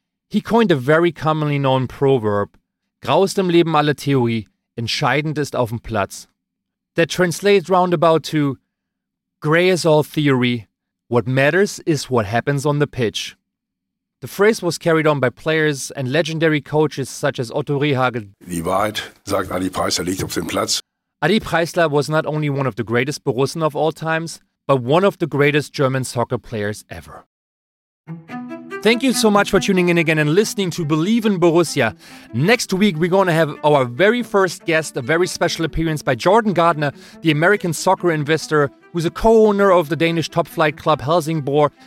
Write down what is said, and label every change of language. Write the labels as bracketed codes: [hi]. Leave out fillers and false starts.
[en] He coined a very commonly known proverb, [de] Graust im Leben alle Theorie, entscheidend ist auf dem Platz. [en] That translates roundabout to, gray is all theory, what matters is what happens on the pitch. The phrase was carried on by players and legendary coaches such as Otto Rehhagel. [de] Die Wahrheit, sagt Adi Preisler, liegt auf dem Platz. [en] Adi Preisler was not only one of the greatest Borussen of all times, but one of the greatest German soccer players ever. Thank you so much for tuning in again and listening to Believe in Borussia. Next week, we're going to have our very first guest, a very special appearance by Jordan Gardner, the American soccer investor, who's a co-owner of the Danish top flight club Helsingborg.